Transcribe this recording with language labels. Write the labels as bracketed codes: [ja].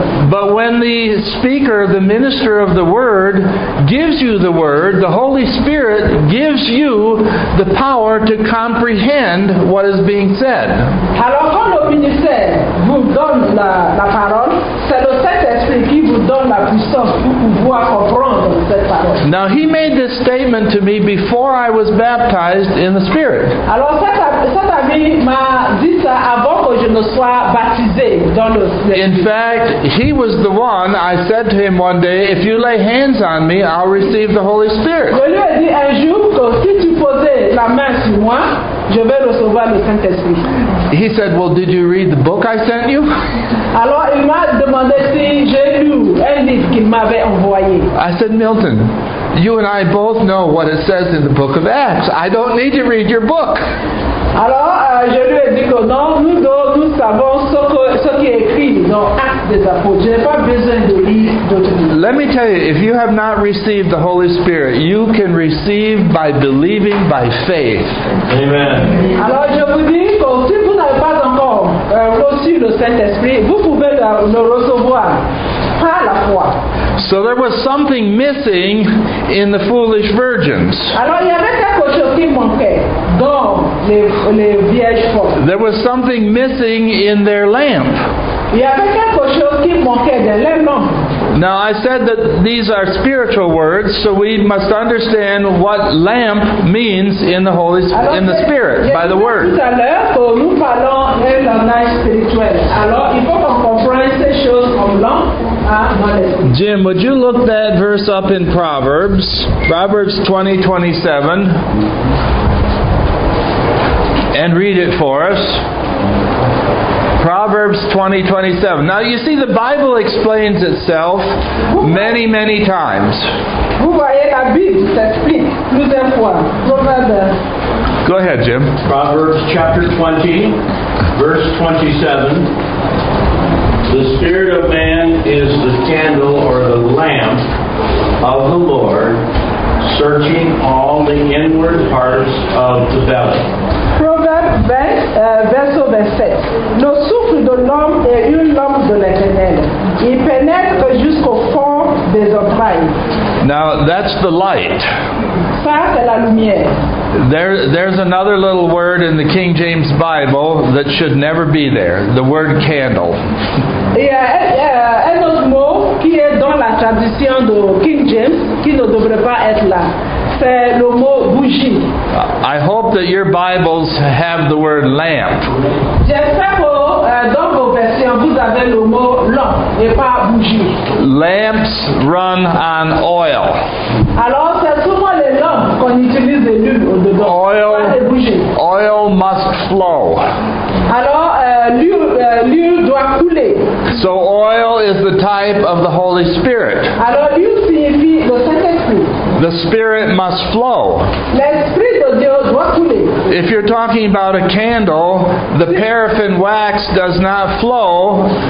[en] But when the speaker, the minister of the Word, gives you the Word, the Holy Spirit gives you the power to comprehend what is being said. [fr] Alors, quand le ministère vous donne la parole, c'est le Saint-Esprit qui vous donne la puissance pour pouvoir comprendre cette parole. [en] Now, he made this statement to me before I was baptized in the Spirit. [fr] Alors, cet ami m'a dit ça avant que je ne sois baptisé dans le Spirit. [en] In fact, he was the one, I said to him one day, "If you lay hands on me, I'll receive the Holy Spirit." [fr] Je lui ai dit un jour que si tu posais la main sur moi, je vais recevoir le Saint-Esprit. [en] He said, "Well, did you read the book I sent you?" [fr] Alors, il m'a demandé si j'ai lu un livre qu'il m'avait envoyé. [en] I said, "Milton, you and I both know what it says in the book of Acts. I don't need to read your book." [fr] Alors, je lui ai dit que non, nous savons ce qui est écrit dans Actes des Apôtres. Je n'ai pas besoin de lire d'autres livres. [en] Let me tell you, if you have not received the Holy Spirit, you can receive by believing by faith. Amen. [fr] Alors, je vous dis que si vous n'avez pas encore reçu le Saint-Esprit, vous pouvez le recevoir par la foi. [en] So there was something missing in the foolish virgins. [fr] Alors, il y avait quelque chose qui manquait dans les vierges folles. [en] There was something missing in their lamp. [fr] Il y avait quelque chose qui manquait dans leur lampe. [en] Now, I said that these are spiritual words, so we must understand what lamp means in the Holy Spirit, in the Spirit, by the Word. [fr] Tout à l'heure que nous parlons de langage spirituel. Alors, il faut qu'on comprenne ces choses comme lampe. [en] Jim, would you look that verse up in Proverbs? Proverbs 20:27. And read it for us. Proverbs 20:27. Now you see, the Bible explains itself many, many times. [fr] Vous voyez, la Bible s'explique plusieurs fois. [en] Proverbs. Go ahead, Jim. Proverbs chapter 20, verse 27. "The spirit of man is the candle or the lamp of the Lord, searching all the inward parts of the belly." [fr] Proverbe 20, verset 27. "Le souffle de l'homme est une lampe de l'éternel. Il pénètre jusqu'au fond des entrailles." [en] Now, that's the light. [fr] Ça, c'est la lumière. [en] There's another little word in the King James Bible that should never be there, the word candle. [fr] Un autre mot qui est dans la tradition de King James qui ne devrait pas être là. C'est le mot bougie. [en] I hope that your Bibles have the word lamp. [fr] J'espère que dans vos versions vous avez le mot lampe et pas bougie. [en] Lamps run on oil. [fr] Alors c'est souvent les lampes qu'on utilise de l'huile au-dedans, [en] oil, [fr] pas les bougies. [en] Oil must flow. [fr] Alors, l'huile doit couler. [en] So oil is the type of the Holy Spirit. [fr] Alors, l'huile signifie le Saint-Esprit. [en] The Spirit must flow. [fr] L'Esprit de Dieu doit couler. [en] If you're talking about a candle, the paraffin wax does not flow.